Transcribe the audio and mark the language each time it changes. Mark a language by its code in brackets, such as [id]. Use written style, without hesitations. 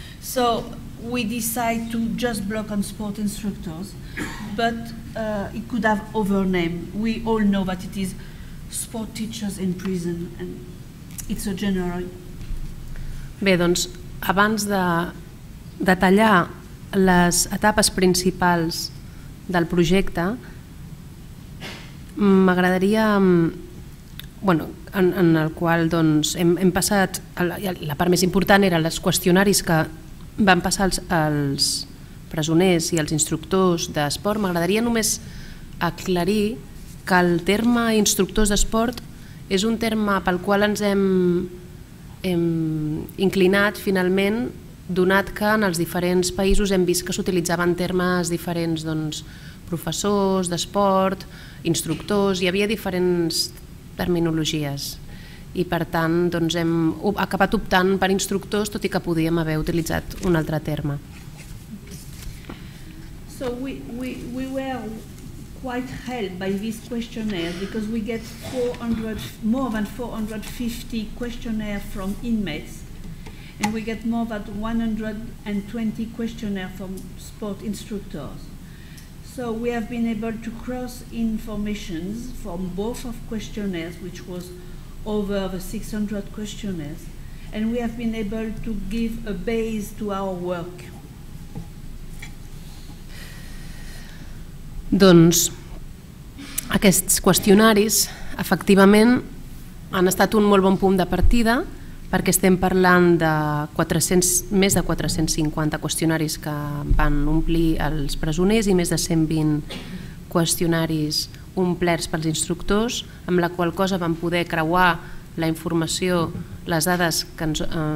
[en] So we decide to just block on sport instructors, but it could have other name. We all know that it is sport teachers in prison, and it's a general. [ca] Bé, doncs, abans de detallar les etapes principals del projecte, m'agradaria, bueno, en el qual doncs, hem passat, la part més important era els qüestionaris que van passar els presoners i els instructors d'esport. M'agradaria només aclarir que el terme instructors d'esport és un terme pel qual ens hem inclinat finalment, donat que en els diferents països hem vist que s'utilitzaven termes diferents, doncs, professors d'esport, instructors, hi havia diferents terminologies i per tant doncs hem acabat optant per instructors, tot i que podíem haver utilitzat un altre terme. [en] So we were quite helped by this questionnaire because we get more than 450 questionnaires from inmates and we get more than 120 questionnaires from sport instructors. So we have been able to cross information from both of questionnaires, which was over the 600 questionnaires, and we have been able to give a base to our work. [ca] Doncs aquests qüestionaris efectivament han estat un molt bon punt de partida, perquè estem parlant de més de 450 qüestionaris que van omplir els presoners i més de 120 qüestionaris omplerts pels instructors, amb la qual cosa vam poder creuar la informació, les dades que ens